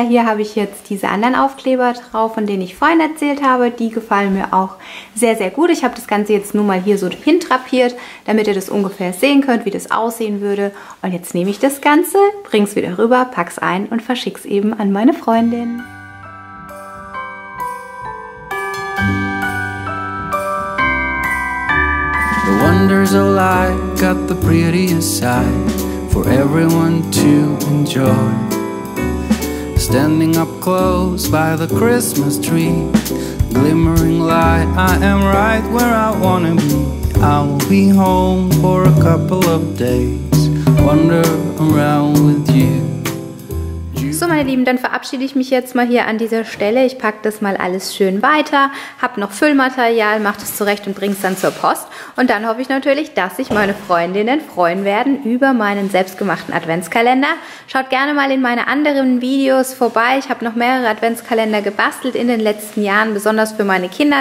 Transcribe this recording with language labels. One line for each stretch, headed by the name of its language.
German: Hier habe ich jetzt diese anderen Aufkleber drauf, von denen ich vorhin erzählt habe. Die gefallen mir auch sehr, sehr gut. Ich habe das Ganze jetzt nur mal hier so hintrapiert, damit ihr das ungefähr sehen könnt, wie das aussehen würde. Und jetzt nehme ich das Ganze, bringe es wieder rüber, packe es ein und verschicke es eben an meine Freundin.
English: The wonders of life got the prettiest side for everyone to enjoy. Standing up close by the Christmas tree, glimmering light, I am right where I wanna be. I will be home for a couple of days, wander around with you.
German: So, meine Lieben, dann verabschiede ich mich jetzt mal hier an dieser Stelle. Ich packe das mal alles schön weiter, habe noch Füllmaterial, mache das zurecht und bringe es dann zur Post. Und dann hoffe ich natürlich, dass sich meine Freundinnen freuen werden über meinen selbstgemachten Adventskalender. Schaut gerne mal in meine anderen Videos vorbei. Ich habe noch mehrere Adventskalender gebastelt in den letzten Jahren, besonders für meine Kinder.